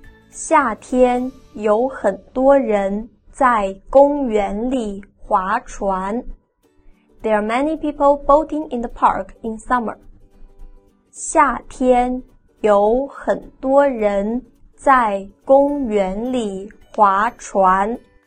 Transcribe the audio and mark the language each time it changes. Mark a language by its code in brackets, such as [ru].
[zh] 夏天有很多人在公园里划船。 [en] There are many people boating in the park in summer. [zh] 夏天有很多人在公园里划船。